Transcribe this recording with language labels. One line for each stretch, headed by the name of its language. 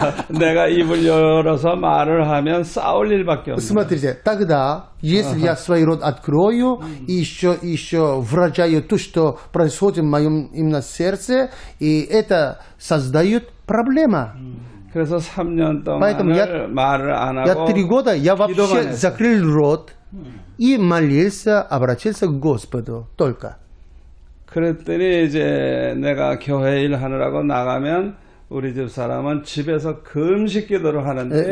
Korean: 내가 입을 열어서 말을 하면 싸울 일밖에 없네.
Russian: Смотрите, тогда, если я свой рот открою, и еще выражаю то, что происходит в моем именно сердце, и это создает проблема.
Korean: 그래서 3년 동안 말을 안 하고
Russian: я 3 года я вообще закрыл рот и молился, обратился к Господу только.
Korean: 그랬더니 이제 내가 교회 일 하느라고 나가면 우리 집 사람은 집에서 금식 기도를 하는데